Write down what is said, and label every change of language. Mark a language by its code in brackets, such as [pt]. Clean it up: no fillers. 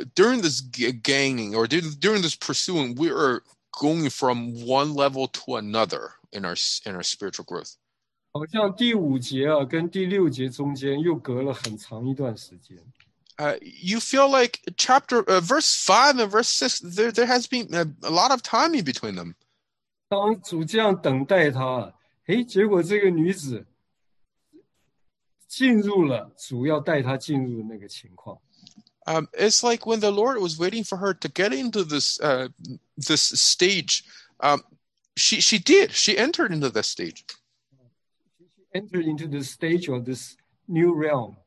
[zh] 这个叫我们呢，在个人的追求和侍奉上面，真的是从不同的，从好像从一个层次到另外一个不同的层次。 [en] During this gaining or during this pursuing, we are going from one level to another in our spiritual growth. [zh] 好像第五节啊，跟第六节中间又隔了很长一段时间。 [en] You feel like verse 5 and verse 6, there has been a lot of time in between them. [zh] 当主这样等待他，结果这个女子进入了主要带她进入的那个情况。 [en] It's like when the Lord was waiting for her to get into this stage, she did. She entered into this stage. She entered into the stage of this new realm.